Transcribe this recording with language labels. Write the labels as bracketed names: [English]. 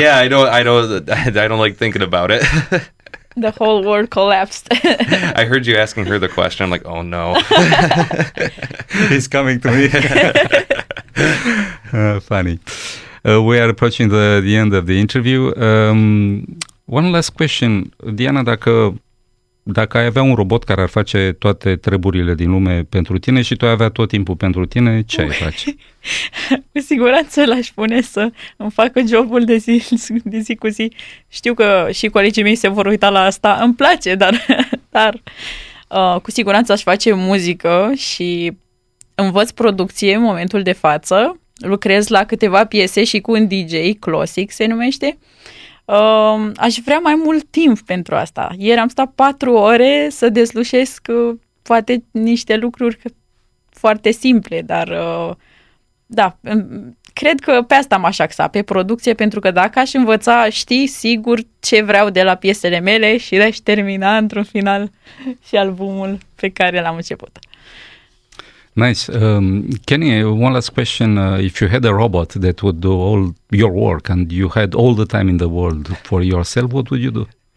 [English] I don't like thinking about it. The whole world collapsed. I heard you asking her the question. I'm like, oh no. He's coming to me. Funny. We are approaching the end of the interview. One last question. [Romanian] Diana, dacă ai avea un robot care ar face toate treburile din lume pentru tine și tu ai avea tot timpul pentru tine, ce ai face? Cu siguranță l-aș pune să îmi facă jobul de zi cu zi. Știu că și colegii mei se vor uita la asta. Îmi place, dar cu siguranță aș face muzică și învăț producție în momentul de față. Lucrez la câteva piese și cu un DJ, Classic se numește. Aș vrea mai mult timp pentru asta. Ieri am stat 4 ore să deslușesc poate niște lucruri foarte simple, dar da, cred că pe asta m-aș axa, pe producție, pentru că dacă aș învăța, știi sigur ce vreau de la piesele mele și le-aș termina într-un final și albumul pe care l-am început. [English] Nice. Kenny, one last question. If you had a robot that would do all your work and you had all the time in the world for yourself, what would you do?